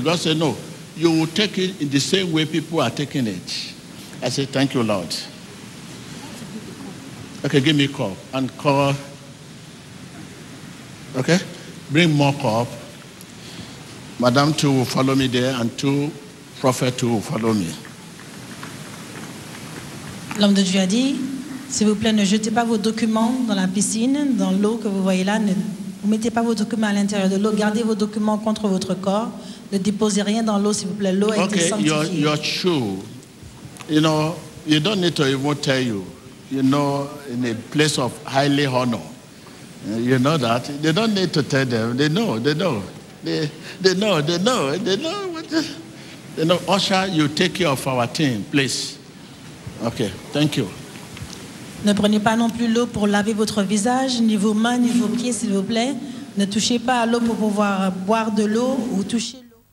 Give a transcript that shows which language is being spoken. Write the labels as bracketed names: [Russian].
[English] God said, no, you will take it in the same way people are taking it. I said, thank you, Lord. Okay, give me a cup and call. Okay, bring more cup. Madam, two will follow me there, and two, prophet, two will follow me. [French] L'homme de Dieu a dit, s'il vous plaît, ne jetez pas vos documents dans la piscine, dans l'eau que vous voyez là. Ne mettez pas vos documents à l'intérieur de l'eau. Gardez vos documents contre votre corps. Ne déposez rien dans l'eau, s'il vous plaît. L'eau est sanctifiée. [English] Okay, you're true. You know, you don't need to even tell you. You know, in a place of highly honor, You know that. They don't need to tell them. They know, they know. They know, they know, they know. They know, usher, you take care of our team, please. Okay, thank you. [French] Ne prenez pas non plus l'eau pour laver votre visage, ni vos mains, ni vos pieds, s'il vous plaît. Ne touchez pas à l'eau pour pouvoir boire de l'eau ou toucher l'eau.